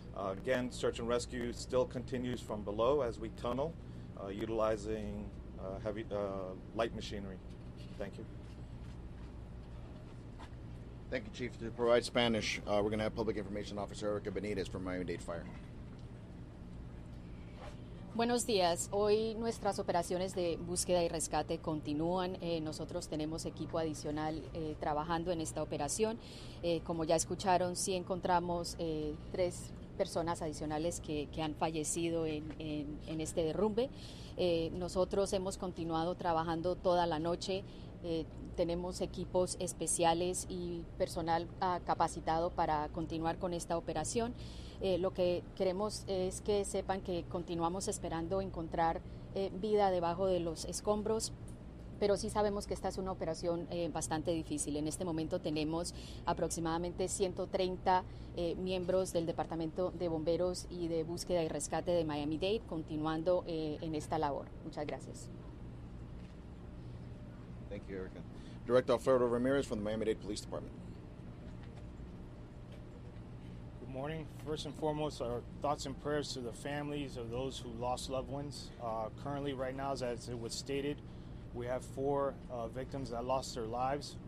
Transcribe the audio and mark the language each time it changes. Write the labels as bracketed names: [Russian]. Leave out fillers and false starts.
[English] Again, search and rescue still continues from below as we tunnel, utilizing heavy light machinery. Thank you. Thank you, Chief. To provide Spanish, we're going to have Public Information Officer Erica Benitez from Miami-Dade Fire. [Spanish] Buenos días. Hoy nuestras operaciones de búsqueda y rescate continúan. Nosotros tenemos equipo adicional trabajando en esta operación. Como ya escucharon, sí encontramos tres personas adicionales que han fallecido en este derrumbe. Nosotros hemos continuado trabajando toda la noche. Tenemos equipos especiales y personal capacitado para continuar con esta operación. Lo que queremos es que sepan que continuamos esperando encontrar vida debajo de los escombros, pero sí sabemos que esta es una operación bastante difícil. En este momento tenemos aproximadamente 130 miembros del Departamento de Bomberos y de Búsqueda y Rescate de Miami-Dade continuando en esta labor. Muchas gracias. [English] Thank you, Erica. Director Alfredo Ramirez from the Miami-Dade Police Department. Good morning. First and foremost, our thoughts and prayers to the families of those who lost loved ones. Currently, right now, as it was stated, we have four victims that lost their lives.